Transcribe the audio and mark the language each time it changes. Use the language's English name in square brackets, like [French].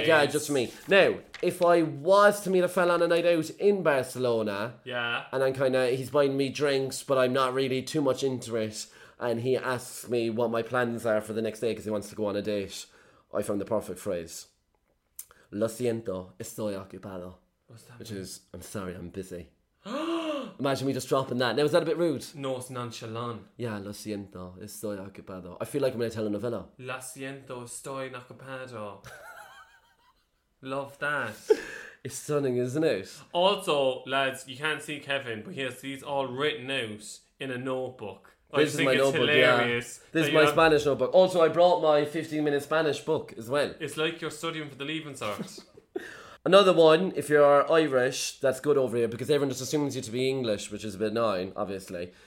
[English] Like, yeah, just for me. Now, if I was to meet a fella on a night out in Barcelona. Yeah. And I'm kind of, he's buying me drinks, but I'm not really too much into it. And he asks me what my plans are for the next day because he wants to go on a date. I found the perfect phrase. [Spanish] Lo siento, estoy ocupado. [English] What's that Which mean? Is, I'm sorry, I'm busy. Imagine me just dropping that. Now, is that a bit rude? No, it's nonchalant. [Spanish] Yeah, lo siento, estoy ocupado. [English] I feel like I'm in a telenovela. [Spanish] Lo siento, estoy ocupado. [English] Love that. It's stunning, isn't it? Also, lads, you can't see Kevin, but he's all written out in a notebook. This I is think my it's notebook, hilarious. Yeah. This is my Spanish notebook. Also, I brought my 15-minute Spanish book as well. It's like you're studying for the Leaving Cert. Another one, if you're Irish, that's good over here because everyone just assumes you to be English, which is a bit annoying, obviously.